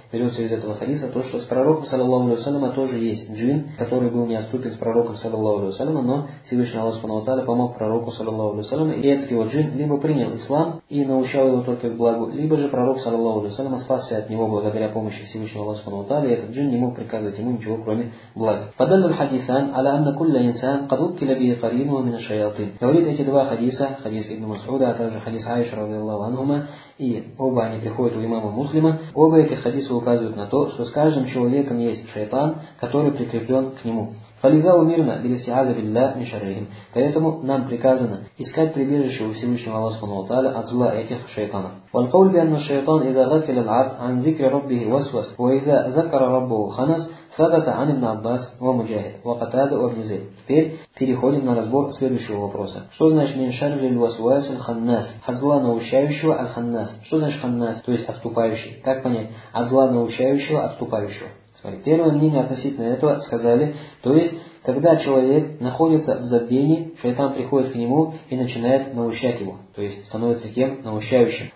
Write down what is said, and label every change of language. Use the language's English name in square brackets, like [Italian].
[Russian] берется из этого хадиса, то, что с пророком, саллаллаху алейхи ва саллям, тоже есть джин, который был неотступен с пророком, саллаллаху алейхи ва саллям, но Всевышний Аллах субхана ва тааля помог пророку, саллаллаху алейхи ва саллям, и этот его джин либо принял ислам и научал его только к благу, либо же пророк, саллаллаху алейхи ва саллям, спасся от него благодаря помощи Всевышнего Аллаха субхана ва тааля, и этот джин не мог приказывать ему ничего, кроме блага. [Arabic] فدل الحديثان على أن كل إنسان قد أُكل به قرينه من الشياطين. [Russian] Говорит эти два хадиса, хадис ибн Масуда, а также хадис Аиши радиаллаху анхума, и оба они приходят у имама Муслима. Оба эти хадиса указывают на то, что с каждым человеком есть шайтан, который прикреплен к нему. [Arabic] فلذا أمرنا بالاستعاذة بالله من شرهم. [Russian] Поэтому нам приказано искать прибежище у Всевышнего Аллаха субхана ва тааля от зла этих шайтанов. [Arabic] والقول بأن الشيطان إذا غفل العبد عن ذكر ربه وسوس وإذا ذكر ربه خنس ثبت عن ابن عباس ومجاهد وقتادة وابن زيد. [Russian] Теперь переходим на разбор следующего вопроса. Что значит [Arabic] من شر الوسواس الخناس؟ [Russian] От зла наущающего [Arabic] الخناس. [Russian] Что значит خناس؟ То есть отступающий. Как понять? От зла наущающего отступающего. Смотри, первое мнение относительно этого сказали, то есть, когда человек находится в забвении, шайтан приходит к нему и начинает наущать его, то есть, становится кем? Наущающим.